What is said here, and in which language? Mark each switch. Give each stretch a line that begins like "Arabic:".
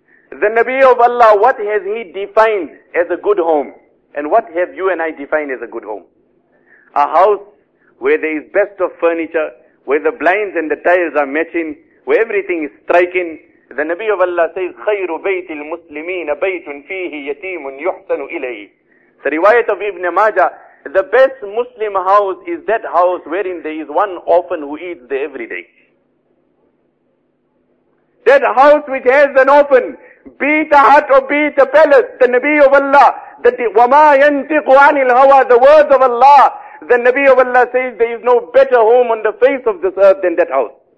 English: The Nabi of Allah, what has he defined as a good home? And what have you and I defined as a good home? A house where there is best of furniture, where the blinds and the tiles are matching, where everything is striking. The Nabi of Allah says,
Arabic: خَيْرُ بَيْتِ الْمُسْلِمِينَ بَيْتٌ فِيهِ يَتِيمٌ يُحْسَنُ إِلَيْهِ.
English: The riwayat of Ibn Majah, the best Muslim house is that house wherein there is one orphan who eats there every day. That house which has an orphan, be it a hut or be it a palace, the Nabi of Allah,
Arabic: وَمَا يَنْتِقُ عَنِ الْهَوَى,
English: the words of Allah, the Nabi of Allah says there is no better home on the face of this earth than that house.